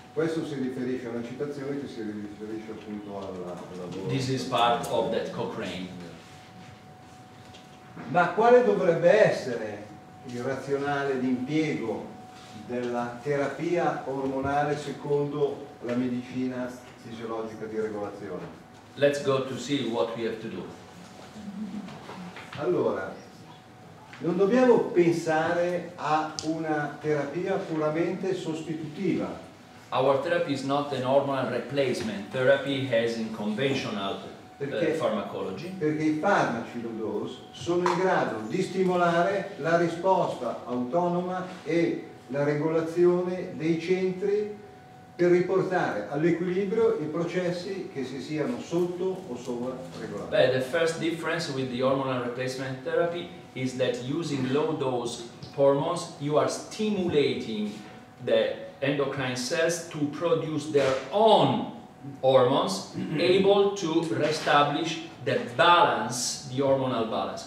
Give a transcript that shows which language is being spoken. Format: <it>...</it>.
<it>Questo si riferisce a una citazione che si riferisce appunto al lavoro.</it> <en>This is part of that Cochrane.</en> <it>Ma quale dovrebbe essere il razionale di impiego della terapia ormonale secondo la medicina fisiologica di regolazione?</it> <en>Let's go to see what we have to do.</en> <it>Allora, non dobbiamo pensare a una terapia puramente sostitutiva.</it> <en>Our therapy is not an hormonal replacement therapy as in conventional pharmacology.</en> <it>Perché i farmaci low dose sono in grado di stimolare la risposta autonoma e la regolazione dei centri per riportare all'equilibrio i processi che si siano sotto o sopra regolati.</it> <en>Beh, the first difference with the hormonal replacement therapy is that using low dose hormones you are stimulating the endocrine cells to produce their own hormones able to reestablish the balance, the hormonal balance.</en>